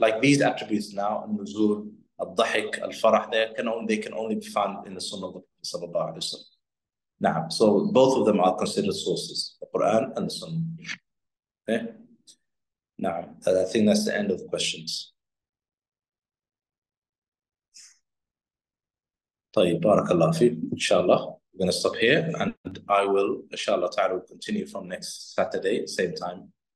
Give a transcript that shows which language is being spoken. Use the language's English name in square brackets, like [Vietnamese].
[English] Like these attributes now, النزول, الضحك, الفرح, they can only be found in the Sunnah of the Prophet [Arabic] صلى الله عليه وسلم. نعم. [English] So both of them are considered sources, the Quran and the Sunnah. Okay. نعم. I think that's the end of the questions. [Arabic] طيب بارك الله فيك إن شاء الله. [English] We're going to stop here and I will, [Arabic] إن شاء الله تعالى, [English] will continue from next Saturday, same time.